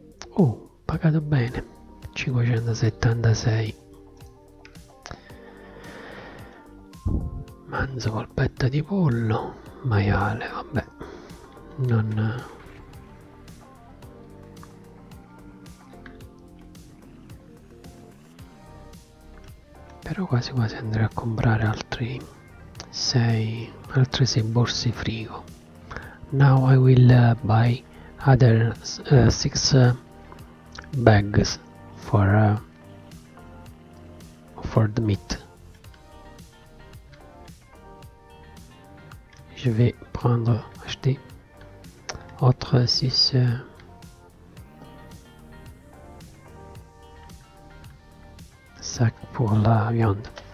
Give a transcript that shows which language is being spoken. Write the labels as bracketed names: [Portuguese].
[Italian] Oh, pagato bene, 576 manzo, polpetta di pollo, maiale, vabbè, non però quasi quasi andrei a comprare altri 6 borse frigo. [English] Now I will buy other 6 bags for the meat. [French] Je vais prendre acheter autre 6 pour la viande.